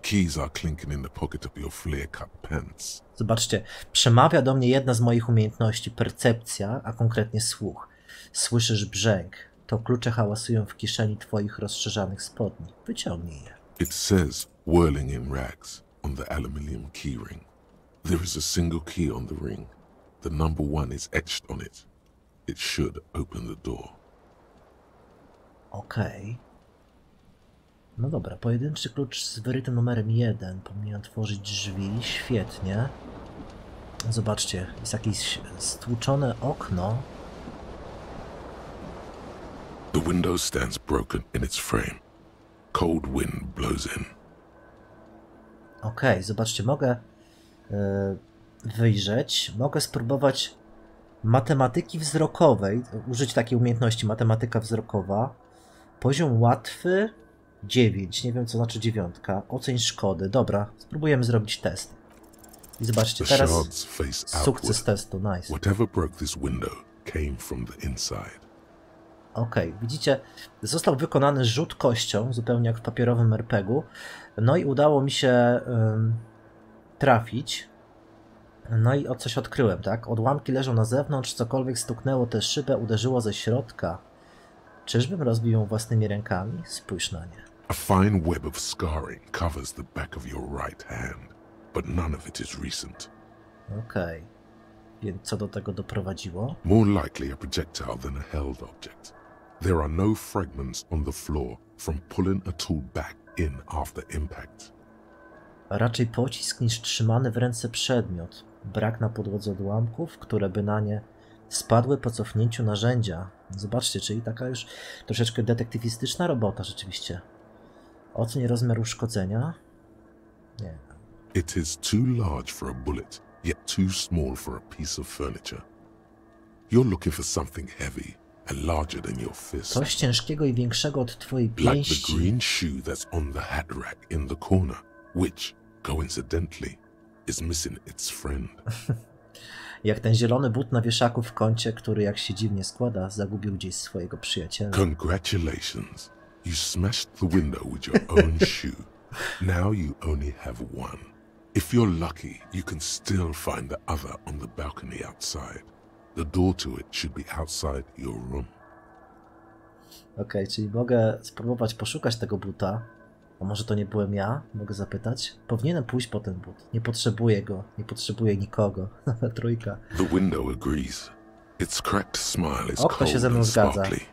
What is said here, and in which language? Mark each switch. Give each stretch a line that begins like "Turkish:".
English: Keys are clinking in the pocket of your flare-cut pants.
Polish: Zobaczcie, przemawia do mnie jedna z moich umiejętności, percepcja, a konkretnie słuch. Słyszysz brzęk. To klucze hałasują w kieszeni twoich rozszerzanych spodni. Wyciągnij je.
English: It says whirling in rags on the aluminium key ring. There is a single key on the ring. The number one is etched on it. It should open the door.
Polish: Okej. Okay. No dobra, pojedynczy klucz z wyrytym numerem 1 powinien otworzyć drzwi. Świetnie. Zobaczcie, jest jakieś stłuczone okno.
English: The window stands broken in its frame. Cold wind blows in.
Polish: Okej, okay, zobaczcie, mogę wyjrzeć. Mogę spróbować matematyki wzrokowej, użyć takiej umiejętności, matematyka wzrokowa. Poziom łatwy 9, nie wiem co znaczy 9. Oceń szkody, dobra, spróbujemy zrobić test. I zobaczcie, teraz sukces testu, nice.
English: Whatever broke this window came from the inside.
Polish: Okej, okay, widzicie, został wykonany rzut kością, zupełnie jak w papierowym RPG-u. No i udało mi się trafić. No i o coś odkryłem, tak? Odłamki leżą na zewnątrz, cokolwiek stuknęło tę szybę, uderzyło ze środka. Czyżbym rozbił ją własnymi rękami? Spójrz na nie.
English: A fine web of scarring covers the back of your right hand, but none of it is recent.
Polish: Okej. Okay. Więc co do tego doprowadziło?
English: More likely a projectile than a held object. There are no fragments on the floor from pulling a tool back in after impact.
Polish: Raczej pocisk niż trzymany w ręce przedmiot. Brak na podłodze odłamków, które by na nie spadły po cofnięciu narzędzia. Zobaczcie, czyli taka już troszeczkę detektywistyczna robota rzeczywiście. Oceń rozmiar uszkodzenia. Nie.
English: It is too large for a bullet, yet too small for a piece of furniture. You're looking for something heavy and larger than your fist.
Polish: Coś ciężkiego i większego od twojej pięści.
English: Like the green shoe that's on the hat rack in the corner. Which, coincidentally, is missing its friend.
Polish: Jak ten zielony but na wieszaku w kącie, który jak się dziwnie składa, zagubił gdzieś swojego przyjaciela.
English: Congratulations. You smashed the window with your own shoe. Now you only have one. If you're lucky, you can still find the other on the balcony outside. The door to it should be outside your room.
Polish: Okej, okay, czyli mogę spróbować poszukać tego buta. A może to nie byłem ja? Mogę zapytać? Powinienem pójść po ten but. Nie potrzebuję go. Nie potrzebuję nikogo. Trójka.
English: The window agrees. Its cracked smile is
Polish: okno się ze mną zgadza.